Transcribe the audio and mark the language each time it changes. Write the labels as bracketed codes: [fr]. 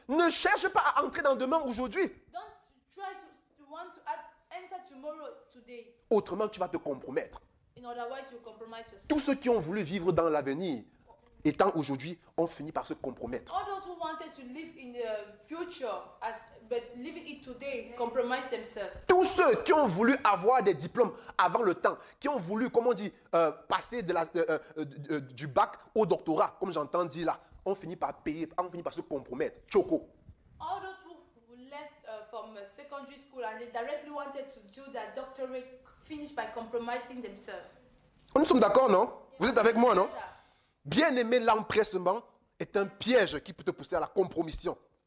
[fr] Ne cherche pas à entrer dans demain aujourd'hui. [en] Don't try to want to enter tomorrow today. [fr] Autrement, tu vas te compromettre. [en] In otherwise, you compromise yourself. [fr] Tous ceux qui ont voulu vivre dans l'avenir, étant aujourd'hui, ont fini par se compromettre. [en] All those who wanted to live in the future as but leaving it today compromise themselves. [fr] Tous ceux qui ont voulu avoir des diplômes avant le temps, qui ont voulu, comme on dit, passer de la, du bac au doctorat, comme j'entends dire là, ont fini par payer, ont fini par se compromettre. Choco. [en] All those who left from secondary school and they directly wanted to do their doctorate finished by compromising themselves. [fr] Oh, nous sommes d'accord, non? Yeah. Vous êtes avec moi, non? Bien aimé, l'empressement est un piège qui peut te pousser à la compromission.